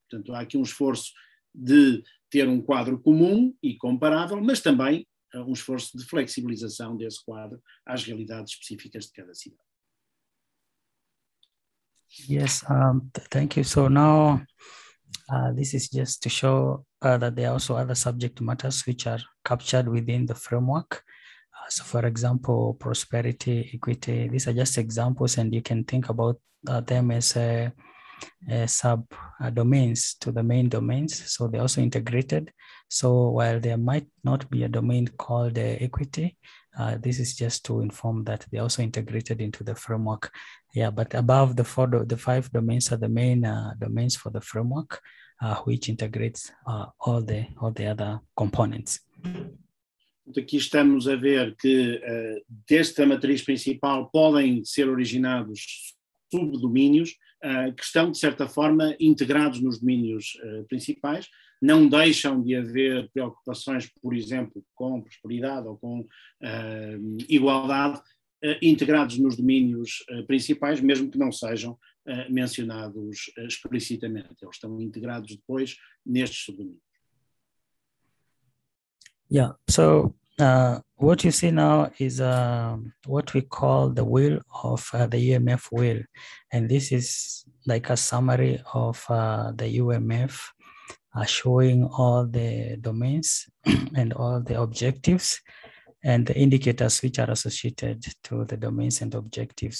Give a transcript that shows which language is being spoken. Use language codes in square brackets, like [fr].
[pt] Portanto, há aqui um esforço de ter um quadro comum e comparável, mas também um esforço de flexibilização desse quadro às realidades específicas de cada cidade. [en] Yes, thank you. So now this is just to show that there are also other subject matters which are captured within the framework. So for example, prosperity, equity, these are just examples, and you can think about them as sub-domains to the main domains. So they're also integrated. So while there might not be a domain called equity, this is just to inform that they're also integrated into the framework. Yeah, but above the four, the five domains are the main domains for the framework, which integrates all the other components. [pt] Aqui estamos a ver que desta matriz principal podem ser originados subdomínios que estão, de certa forma, integrados nos domínios principais. Não deixam de haver preocupações, por exemplo, com prosperidade ou com igualdade, integrados nos domínios principais, mesmo que não sejam mencionados explicitamente. Eles estão integrados depois nestes subdomínios. [en] Yeah, so what you see now is what we call the will of the UMF will. And this is like a summary of the UMF showing all the domains and all the objectives and the indicators which are associated to the domains and objectives.